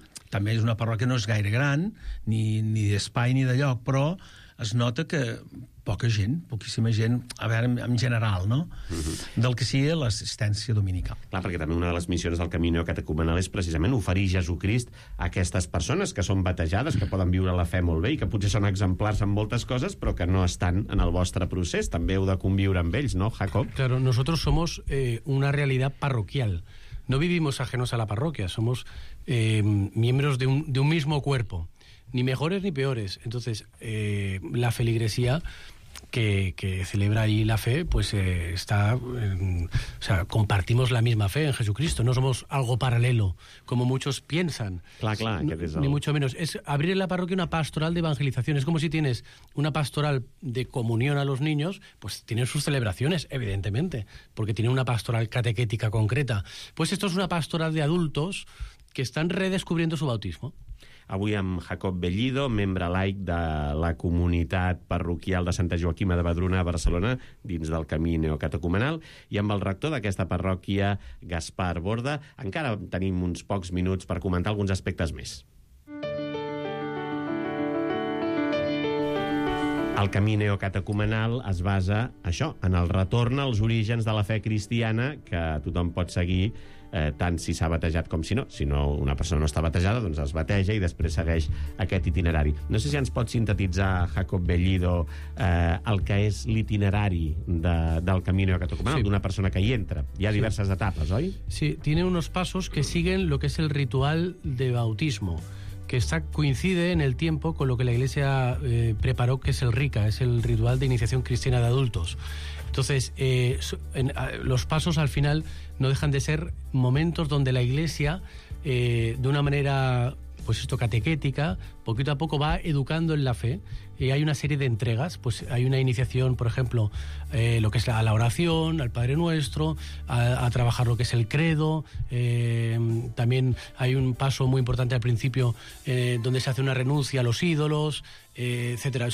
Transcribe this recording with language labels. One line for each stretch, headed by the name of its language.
Catalan: També és una parròquia que no és gaire gran, ni d'espai ni de lloc, però es nota que poca gent, poquíssima gent, a veure, en general, no? Del que sigui l'assistència dominical. Clar, perquè també una de les missions del Camino Catecumenal és precisament oferir Jesucrist a aquestes persones que són batejades, que poden viure la fe molt bé i que potser són exemplars en moltes coses, però que no estan en el vostre procés. També heu de conviure amb ells, no, Jacob?
Spanish: Claro, nosotros somos una realidad parroquial. No vivimos ajenos a la parroquia, somos miembros de un mismo cuerpo, ni mejores ni peores. Entonces, la feligresía que celebra ahí la fe, pues está... o sea, compartimos la misma fe en Jesucristo, no somos algo paralelo, como muchos piensan.
Catalan: Clar, clar,
Spanish: no, ni mucho menos. Es abrir en la parroquia una pastoral de evangelización. Es como si tienes una pastoral de comunión a los niños, pues tienen sus celebraciones, evidentemente, porque tienen una pastoral catequética concreta. Pues esto es una pastoral de adultos que
Catalan: estan redescobrint
Spanish: su bautismo.
Catalan: Avui amb Jacob Bellido, membre laic de la comunitat parroquial de Santa Joaquima de Vedruna a Barcelona, dins del camí neocatecumenal, i amb el rector d'aquesta parròquia, Gaspar Borda. Encara tenim uns pocs minuts per comentar alguns aspectes més. El camí neocatecumenal es basa, això, en el retorn als orígens de la fe cristiana, que tothom pot seguir, tant si s'ha batejat com si no. Si no, una persona no està batejada, doncs es bateja i després segueix aquest itinerari. No sé si ens pot sintetitzar, Jacob Bellido, el que és l'itinerari del Camino Catecumenal, sí. D'una persona que hi entra. Hi ha diverses etapes, oi?
Spanish: Sí, tiene unos pasos que siguen lo que es el ritual de bautismo, que coincide en el tiempo con lo que la Iglesia preparó, que es el RICA, es el ritual de iniciación cristiana de adultos. Entonces, los pasos al final no dejan de ser momentos donde la Iglesia, de una manera, pues esto, catequética, poquito a poco va educando en la fe, y hay una serie de entregas, pues hay una iniciación, por ejemplo, lo que es a la oración, al Padre Nuestro, a trabajar lo que es el credo, también hay un paso muy importante al principio donde se hace una renuncia a los ídolos, etcétera.